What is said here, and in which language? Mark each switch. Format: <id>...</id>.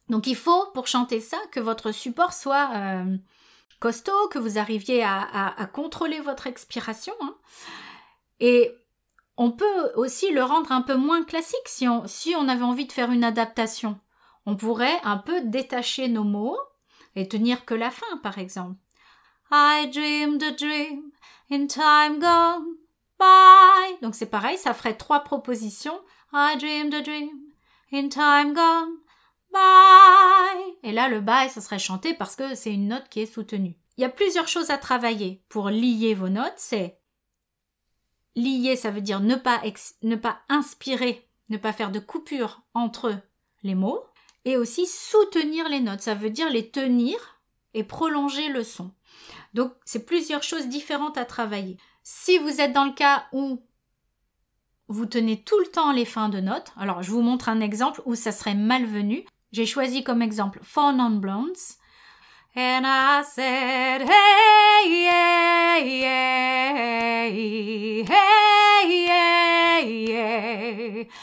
<fr>Donc il faut, pour chanter ça, que votre support soit costaud, que vous arriviez à contrôler votre expiration, hein. Et on peut aussi le rendre un peu moins classique si on avait envie de faire une adaptation. On pourrait un peu détacher nos mots et tenir que la fin, par exemple.</fr> <en>I dreamed a dream in time gone by.</en> <fr>Donc c'est pareil, ça ferait 3 propositions.</fr> <en>I dreamed a dream in time gone by.</en> <fr>Et là, le by, ça serait chanté parce que c'est une note qui est soutenue. Il y a plusieurs choses à travailler pour lier vos notes. C'est lier, ça veut dire ne pas inspirer, ne pas faire de coupure entre les mots. Et aussi soutenir les notes, ça veut dire les tenir et prolonger le son. Donc, c'est plusieurs choses différentes à travailler. Si vous êtes dans le cas où vous tenez tout le temps les fins de notes, alors je vous montre un exemple où ça serait malvenu. J'ai choisi comme exemple « Four Non-Blondes ».</fr> <en>And I said, hey, yeah, yeah, hey, yeah, yeah.</en>